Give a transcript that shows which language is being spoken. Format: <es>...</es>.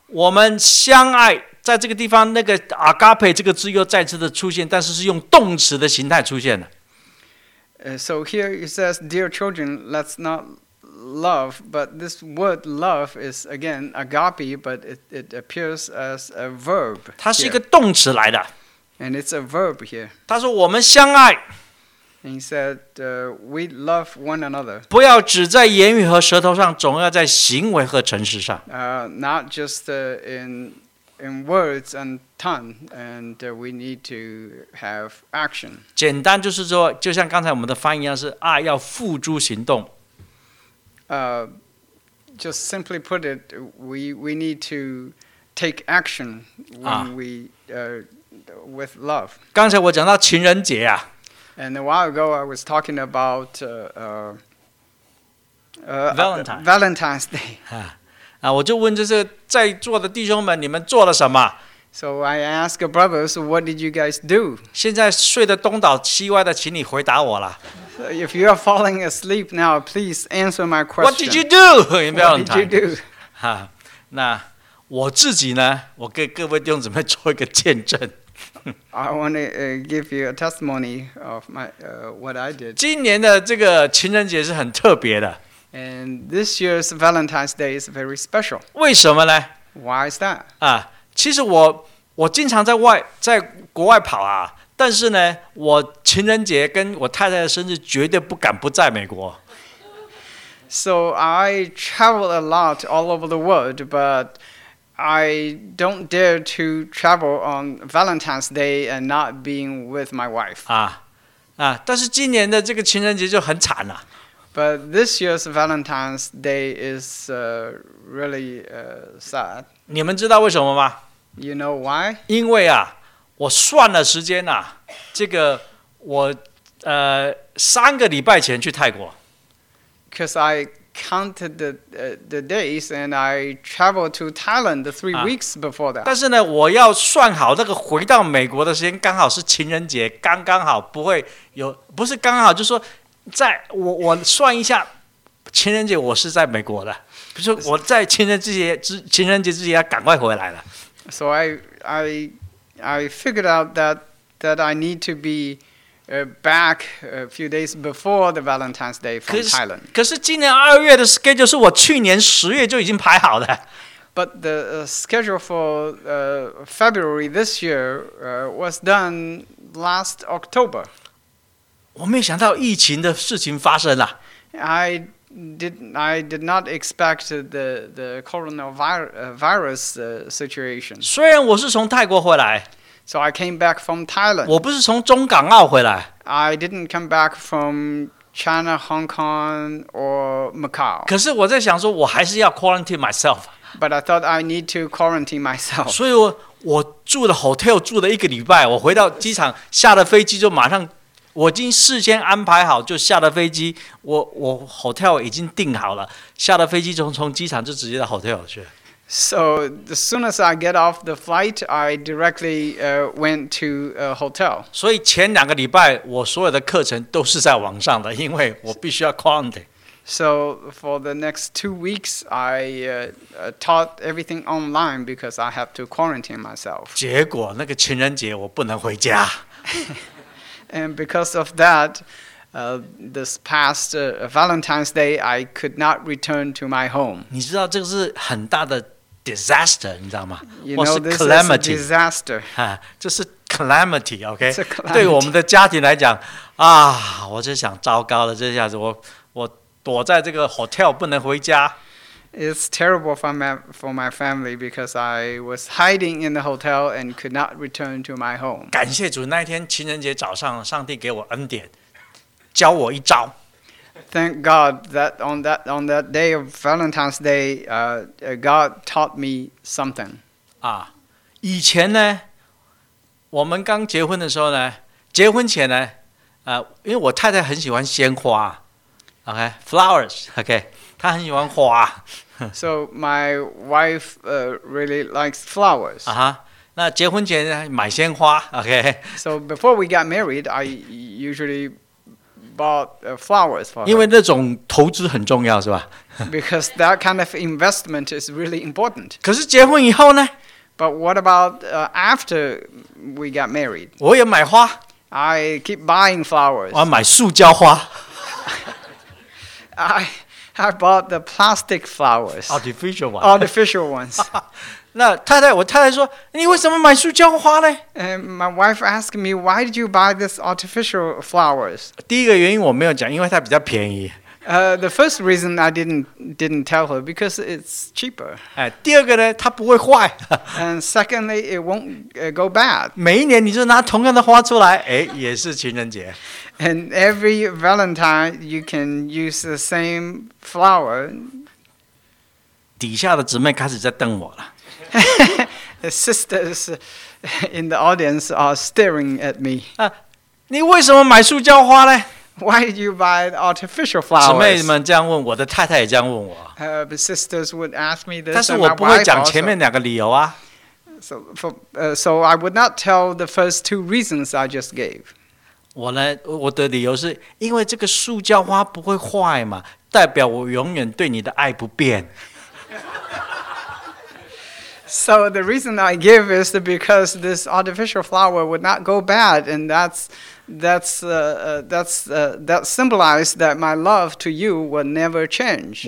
<zh>我们相爱，在这个地方，那个 agape 这个字又再次的出现，但是是用动词的形态出现的。</zh> <en>So here it says, "Dear children, let's not love," but this word "love" is again agape, but it appears as a verb.</en> <zh>它是一个动词来的。</zh> <en>And it's a verb here.</en> <zh>他说我们相爱。</zh> <en>He said, "We love one another."</en> <zh>不要只在言语和舌头上，总要在行为和诚实上。</zh> <en>Not just in words and tongue, and we need to have action.</en> <zh>简单就是说，就像刚才我们的翻译一样，是爱要付诸行动。</zh> <en>Just simply put it, we need to take action when we with love.</en> <zh>刚才我讲到情人节啊。</zh> <en>And a while ago, I was talking about Valentine's Day.</en> <zh>我就问这些在座的弟兄们，你们做了什么</zh> <en>？So I ask brothers, what did you guys do?</en> <zh>现在睡得东倒西歪的，请你回答我了。</zh> <en>So、if you are falling asleep now, please answer my question. What did you do in Valentine's? What did you do?</en> <zh>那我自己呢？我给各位弟兄姊妹做一个见证。</zh> <en>I want to give you a testimony of what I did.</en> <zh>今年的这个情人节是很特别的。</zh> <en>And this year's Valentine's Day is very special.</en> <zh>为什么呢</zh> <en>？Why is that?</en> <zh>其实我经常在国外跑啊，但是呢，我情人节跟我太太的生日绝对不敢不在美国。</zh> <en>So I travel a lot all over the world, but I don't dare to travel on Valentine's Day and not being with my wife.</en> <zh>但是今年的这个情人节就很惨了。</zh> <en>But this year's Valentine's Day is really sad.</en> <zh>你们知道为什么吗</zh> <en>？You know why?</en> <zh>因为啊，我算了时间呐、啊，这个我三个礼拜前去泰国。</zh> <en>Because I counted the days and I traveled to Thailand three weeks before that.</en> <zh>但是呢，我要算好那个回到美国的时间，刚好是情人节，刚刚好不会有，不是刚好，就是说，在我算一下，情人节我是在美国的，不是我在情人节之前要赶快回来了。</zh> <en>So I figured out that I need to be back a few days before the Valentine's Day from Thailand.</en> <zh>可是今年二月的 schedule 是我去年十月就已经排好的。</zh> <en>But the schedule for February this year was done last October.</en> <zh>我没想到疫情的事情发生了。</zh> <en>I did not expect the coronavirus situation.</en> <zh>虽然我是从泰国回来。</zh> <en>So I came back from Thailand.</en> <zh>我不是从中港澳回来。</zh> <en>I didn't come back from China, Hong Kong, or Macau.</en> <zh>可是我在想说，我还是要</zh> <en>quarantine myself. But I thought I need to quarantine myself.</en> <zh>所以我住的 hotel 住了一个礼拜，我回到机场下了飞机就马上，我已经事先安排好，就下了飞机，我 hotel 已经订好了，下了飞机从机场就直接到 hotel 去。</zh> <en>So as soon as I get off the flight, I directly went to a hotel.</en> <zh>所以前两个礼拜我所有的课程都是在网上的，因为我必须要 quarantine.</zh> <en>So for the next two weeks, I taught everything online because I have to quarantine myself.</en> <zh>结果那个情人节我不能回家。</zh> <en>And because of that, this past Valentine's Day, I could not return to my home.</en> <zh>你知道这个是很大的 disaster, 你知道吗？</zh> <en>You know, this calamity. Is a disaster.</en> <zh>这是 calamity, okay?</zh> <en>It's a calamity.</en> <zh>对我们的家庭来讲，啊，我就想糟糕了，这下子我躲在这个 hotel 不能回家。</zh> <en>It's terrible for my family because I was hiding in the hotel and could not return to my home.</en> <zh>感谢主，那天情人节早上，上帝给我恩典，教我一招。</zh> <en>Thank God that on that day of Valentine's Day, God taught me something.</en> <zh>啊，以前呢，我们刚结婚的时候呢，结婚前呢，因为我太太很喜欢鲜花 ，</zh> <en>OK, flowers, OK,</en> <zh>她很喜欢花。</zh> <en>So my wife really likes flowers.</en> <zh>啊哈，那结婚前买鲜花 ，OK.</zh> <en>So before we got married, I usually bought flowers for her.</en> <zh>因为那种投资很重要，是吧</zh> <en>？Because that kind of investment is really important.</en> <zh>可是结婚以后呢</zh> <en>？But what about after we got married?</en> <zh>我也买花。</zh> <en>I keep buying flowers.</en> <zh>我要买塑胶花。</zh> <en>I bought the plastic flowers. Artificial ones. Artificial ones.</en> <zh>那太太，我太太说，你为什么买塑胶花呢？</zh> <en>My wife asked me, why did you buy this artificial flowers?</en> <zh>第一个原因我没有讲，因为它比较便宜。</zh> <en>The first reason I didn't tell her, because it's cheaper.</en> <zh>第二个呢，它不会坏。</zh> <en>And secondly, it won't go bad.</en> <zh>每一年你就拿同样的花出来，也是情人节。</zh> <en>And every Valentine, you can use the same flower.</en> <zh>底下的姊妹开始在瞪我了。</zh> <en>The sisters in the audience are staring at me.</en> <zh>你为什么买塑胶花呢？</zh> <en>Why did you buy artificial flowers?</en> <zh>姊妹们这样问我的太太也这样问我。</zh> <en>The sisters would ask me this.</en> <zh>但是我不会讲前面两个理由啊。</zh> <en>So I would not tell the first two reasons I just gave.</en> <zh>我的理由是因为这个塑胶花不会坏嘛，代表我永远对你的爱不变。</zh> <en>So the reason I give is because this artificial flower would not go bad, and that symbolized that my love to you will never change.</en>